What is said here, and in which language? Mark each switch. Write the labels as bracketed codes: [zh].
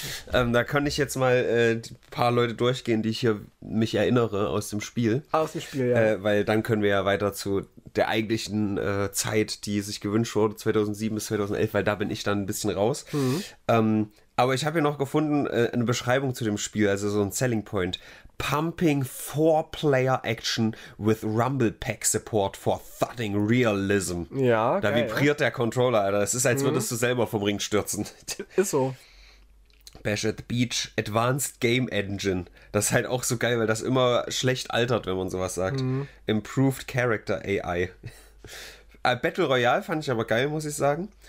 [de] da kann ich jetzt mal ein paar Leute durchgehen, die ich hier mich erinnere aus dem Spiel. Aus dem Spiel, ja. Weil dann können wir ja weiter zu der eigentlichen Zeit, die sich gewünscht wurde, 2007 bis 2011, weil da bin ich dann ein bisschen raus. Aber ich habe hier noch gefunden, eine Beschreibung zu dem Spiel, also so ein Selling Point. [en] Pumping 4-Player-Action with Rumble-Pack-Support for thudding realism. [de] Ja, da geil, vibriert ja der Controller, Alter. Es ist, als würdest du selber vom Ring stürzen. Ist so. [en] Bash at the Beach, Advanced Game Engine. [de] Das ist halt auch so geil, weil das immer schlecht altert, wenn man sowas sagt. Mhm. [en] Improved Character AI. [de] Battle Royale fand ich aber geil, muss ich sagen.